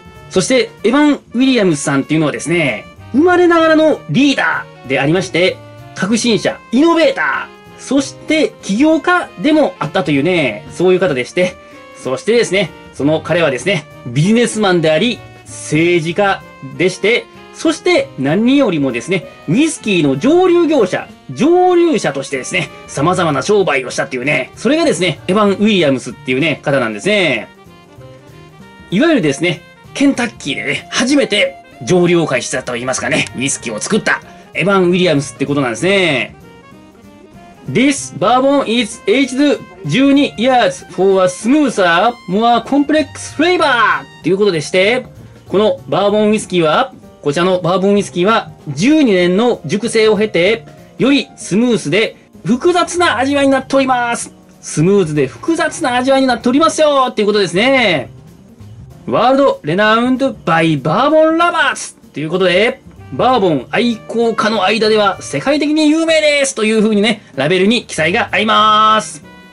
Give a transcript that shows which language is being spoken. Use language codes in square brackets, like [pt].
[ja] そして、エヴァン・ウィリアムスさんっていうのはですね、生まれながらのリーダーでありまして、革新者、イノベーター、そして、起業家でもあったというね、そういう方でして、そしてですね、その彼はですね、ビジネスマンであり、政治家でして、そして何よりもですね、ウイスキーの蒸留業者、蒸留者としてですね、様々な商売をしたっていうね、それがですね、エヴァン・ウィリアムスっていうね、方なんですね。いわゆるですね、ケンタッキーでね、初めて蒸留を開始したといいますかね、ウイスキーを作った、エヴァン・ウィリアムスってことなんですね。 [en] This bourbon is aged 12 years for a smoother, more complex flavor! [ja] ということでして、このバーボンウイスキーは、こちらのバーボンウイスキーは、12年の熟成を経て、よりスムースで複雑な味わいになっております。スムーズで複雑な味わいになっておりますよっていうことですね。ワールドレナウンドバイバーボンラバーズということで、バーボン愛好家の間では世界的に有名ですという風にね、ラベルに記載がありまーす。